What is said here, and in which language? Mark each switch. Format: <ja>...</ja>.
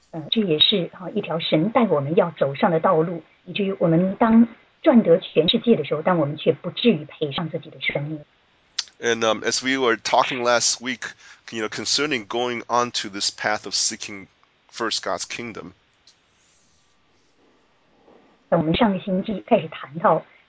<zh>这也是一条神带我们要走上的道路，以至于我们当赚得全世界的时候，但我们却不至于赔上自己的生命。</zh> <en>And as we were talking last week, you know, concerning going onto this path of seeking First God's kingdom.</en> <zh>我们上个星期开始谈到</zh>